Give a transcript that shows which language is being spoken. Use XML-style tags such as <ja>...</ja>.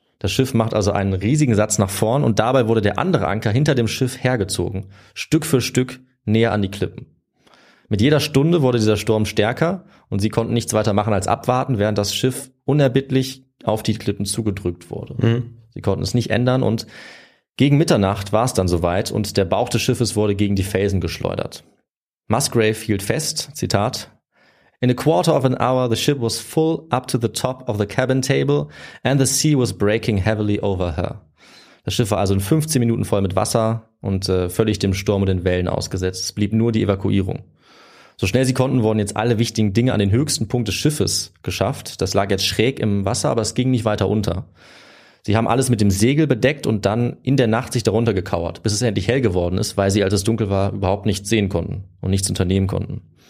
<de>Das Schiff macht also einen riesigen Satz nach vorn und dabei wurde der andere Anker hinter dem Schiff hergezogen, Stück für Stück näher an die Klippen. Mit jeder Stunde wurde dieser Sturm stärker und sie konnten nichts weiter machen als abwarten, während das Schiff unerbittlich auf die Klippen zugedrückt wurde. Mhm. Sie konnten es nicht ändern und gegen Mitternacht war es dann soweit und der Bauch des Schiffes wurde gegen die Felsen geschleudert. Musgrave hielt fest, Zitat:</de> <en>"In a quarter of an hour the ship was full up to the top of the cabin table and the sea was breaking heavily over her."</en> <de>Das Schiff war also in 15 Minuten voll mit Wasser und völlig dem Sturm und den Wellen ausgesetzt. Es blieb nur die Evakuierung. So schnell sie konnten, wurden jetzt alle wichtigen Dinge an den höchsten Punkt des Schiffes geschafft. Das lag jetzt schräg im Wasser, aber es ging nicht weiter unter. Sie haben alles mit dem Segel bedeckt und dann in der Nacht sich darunter gekauert, bis es endlich hell geworden ist, weil sie, als es dunkel war, überhaupt nichts sehen konnten und nichts unternehmen konnten.</de>